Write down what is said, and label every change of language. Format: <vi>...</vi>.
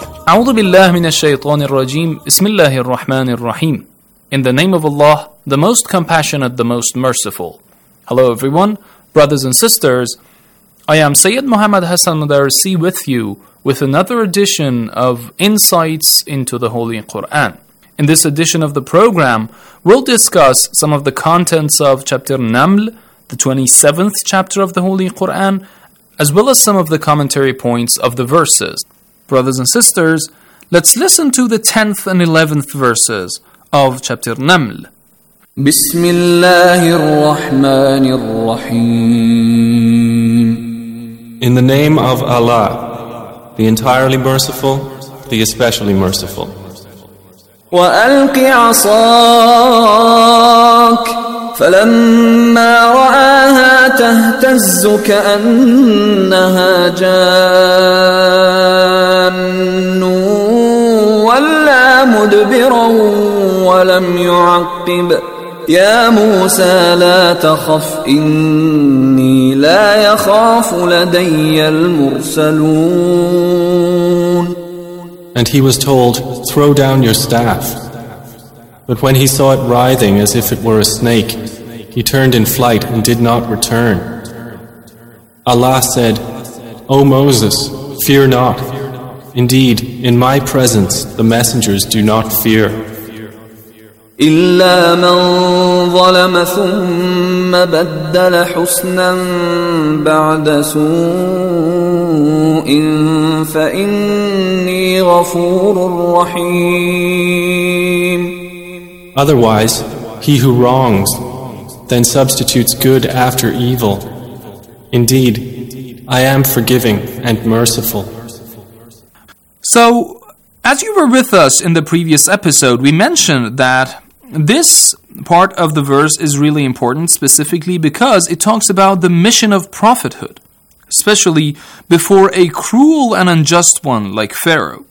<ar>أعوذ بالله من الشيطان الرجيم بسم الله الرحمن الرحيم.</ar> <en>In the name of Allah, the Most Compassionate, the Most Merciful. Hello everyone, brothers and sisters. I am Sayyid Muhammad Hassan Mudarrisi with you with another edition of Insights into the Holy Quran. In this edition of the program, we'll discuss some of the contents of Chapter Naml, the 27th chapter of the Holy Quran, as well as some of the commentary points of the verses. Brothers and sisters, let's listen to the 10th and 11th verses of Chapter Naml.</en> <ar>بسم الله الرحمن الرحيم.</ar> <en>In the name of Allah, the entirely merciful, the especially merciful.</en> <ar>وألقي عصاك فلما رآها تهتز كأنها جان ولا مدبرا ولم يعقب يا موسى لا تخف إني لا يخاف لدي المرسلون.</ar> <en>And he was told, throw down your staff. But when he saw it writhing as if it were a snake, he turned in flight and did not return. Allah said, O Moses, fear not. Indeed, in my presence, the messengers do not fear.</en> <ar>إلا من ظلم ثم بدل حسنا بعد سوء فإني غفور رحيم.</ar> <en>Otherwise, he who wrongs, then substitutes good after evil. Indeed, I am forgiving and merciful. So, as you were with us in the previous episode, we mentioned that this part of the verse is really important, specifically because it talks about the mission of prophethood, especially before a cruel and unjust one like Pharaoh.</en>